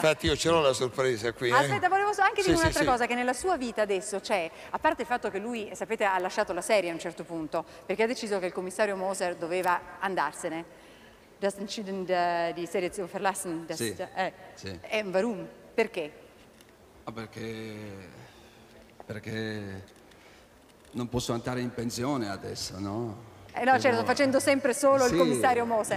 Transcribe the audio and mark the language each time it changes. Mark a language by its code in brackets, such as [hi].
[it] Infatti io ce l'ho la sorpresa qui. Aspetta, volevo anche dire un'altra cosa, sì. Che nella sua vita adesso c'è, a parte il fatto che lui, sapete, ha lasciato la serie a un certo punto, perché ha deciso che il commissario Moser doveva andarsene. [de] Das entschieden die Serie zu verlassen. [it] Sì. [de] Warum? [it] Perché? Ah, perché non posso andare in pensione adesso, no? No, però... certo, facendo sempre solo il commissario Moser.